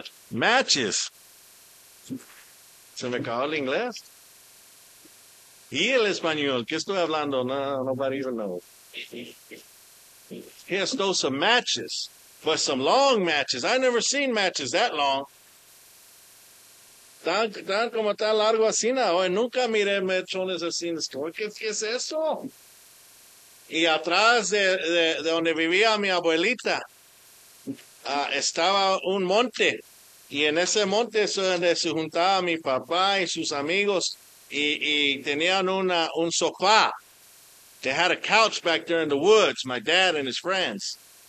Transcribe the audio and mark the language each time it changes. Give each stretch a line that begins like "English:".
Spanish: Matches. ¿Se me acabó el inglés? ¿Y el español? ¿Qué estoy hablando?
English: No, nobody even knows. He stole some matches, but some long matches. I never seen matches that long.
Spanish: Tan como tan largo así, hoy nunca miré mechones así. ¿Qué es eso? Y atrás de donde vivía mi abuelita, estaba un monte. Y en ese monte es donde se juntaba mi papá y sus amigos. Y tenían un sofá.
English: They had a couch back there in the woods, my dad and his friends.